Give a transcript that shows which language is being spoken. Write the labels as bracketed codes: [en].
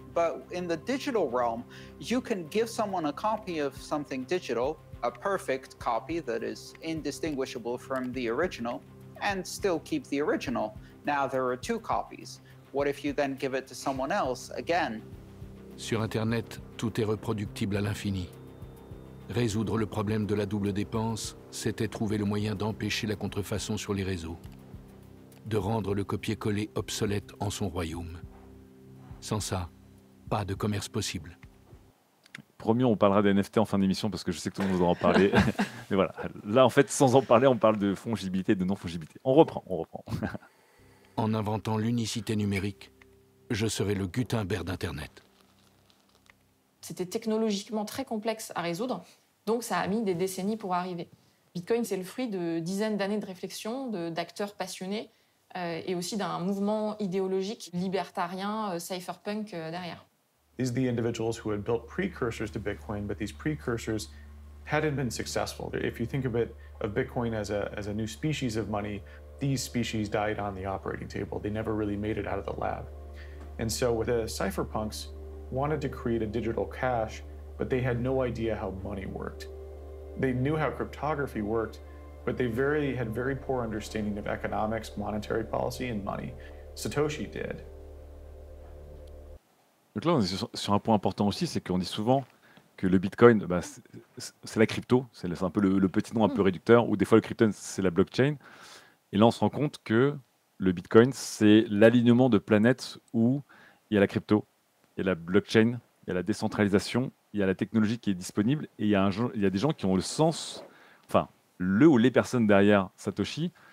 [en] But in the digital realm, you can give someone a copy of something digital, a perfect copy that is indistinguishable from the original, and still keep the original. Now there are two copies. What if you then give it to someone else again? [fr] Sur Internet, tout est reproductible à l'infini. Résoudre le problème de la double dépense, c'était trouver le moyen d'empêcher la contrefaçon sur les réseaux, de rendre le copier-coller obsolète en son royaume. Sans ça, pas de commerce possible. Promis, on parlera des NFT en fin d'émission parce que je sais que tout le monde voudra en parler. Mais voilà, là en fait, sans en parler, on parle de fongibilité et de non-fongibilité. On reprend. En inventant l'unicité numérique, je serai le Gutenberg d'Internet. C'était technologiquement très complexe à résoudre, donc ça a mis des décennies pour arriver. Bitcoin, c'est le fruit de dizaines d'années de réflexion, d'acteurs passionnés et aussi d'un mouvement idéologique libertarien, cypherpunk derrière. [en] These are the individuals who had built precursors to Bitcoin, but these precursors hadn't been successful. If you think of it, of Bitcoin as a new species of money, these species died on the operating table. They never really made it out of the lab. And so the cypherpunks wanted to create a digital cash, but they had no idea how money worked. They knew how cryptography worked, but they had very poor understanding of economics, monetary policy, and money. Satoshi did. [fr] Donc là, on est sur un point important aussi, c'est qu'on dit souvent que le Bitcoin, bah, c'est la crypto, c'est un peu le petit nom un peu réducteur, ou des fois le crypto, c'est la blockchain. Et là, on se rend compte que le Bitcoin, c'est l'alignement de planètes où il y a la crypto, il y a la blockchain, il y a la décentralisation, il y a la technologie qui est disponible, et il y a des gens qui ont le sens, enfin, le ou les personnes derrière Satoshi.